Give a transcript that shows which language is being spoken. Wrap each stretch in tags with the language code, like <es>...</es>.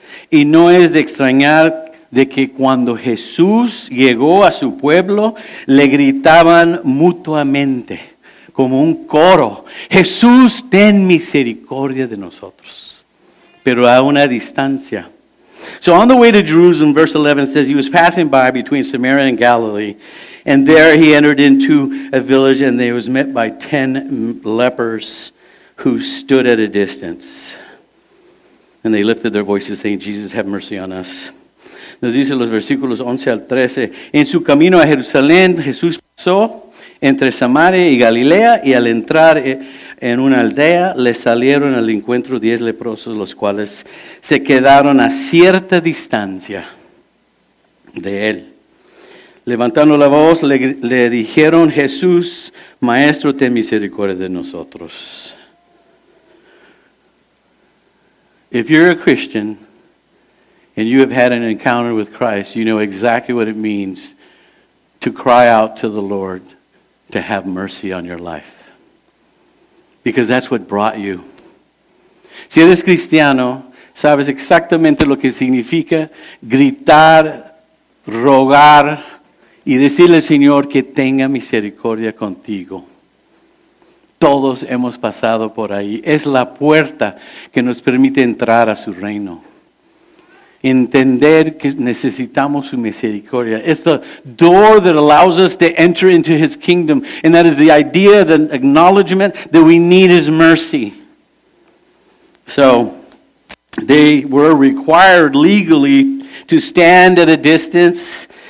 <es>Y no es de extrañar de que cuando Jesús llegó a su pueblo, le gritaban mutuamente, como un coro, Jesús, ten misericordia de nosotros, pero a una distancia.</es> <en>So on the way to Jerusalem, verse 11 says, he was passing by between Samaria and Galilee, and there he entered into a village, and they was met by 10 lepers who stood at a distance. And they lifted their voices, saying, Jesus, have mercy on us.</en> <es>Nos dice los versículos 11 al 13. En su camino a Jerusalén, Jesús pasó entre Samaria y Galilea, y al entrar en una aldea, le salieron al encuentro 10 leprosos, los cuales se quedaron a cierta distancia de él. Levantando la voz, le dijeron, Jesús, Maestro, ten misericordia de nosotros.</es> <en>If you're a Christian and you have had an encounter with Christ, you know exactly what it means to cry out to the Lord to have mercy on your life. Because that's what brought you.</en> <es>Si eres cristiano, sabes exactamente lo que significa gritar, rogar y decirle al Señor que tenga misericordia contigo. Todos hemos pasado por ahí. Es la puerta que nos permite entrar a su reino. Entender que necesitamos su misericordia.</es> <en>It's the door that allows us to enter into his kingdom. And that is the idea, the acknowledgement that we need his mercy. So, they were required legally to stand at a distance.</en>